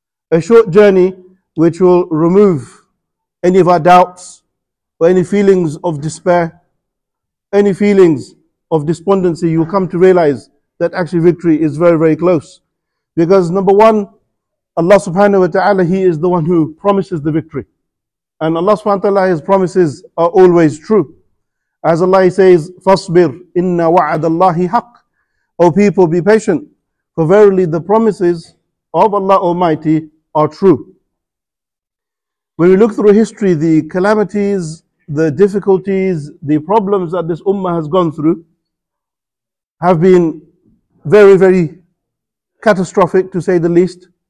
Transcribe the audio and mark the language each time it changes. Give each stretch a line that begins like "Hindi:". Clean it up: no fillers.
English: A short journey which will remove any of our doubts or any feelings of despair, any feelings of despondency. You'll come to realize that actually victory is very, very close. Because number one, Allah subhanahu wa ta'ala, He is the one who promises the victory. And Allah subhanahu wa ta'ala, His promises are always true. As Allah says,
Arabic: فَاصْبِرْ إِنَّ وَعَدَ اللَّهِ حَقٍّ.
English: O people, be patient, for verily the promises of Allah Almighty are true. When we look through history, the calamities, the difficulties, the problems that this ummah has gone through have been very, very catastrophic, to say the least.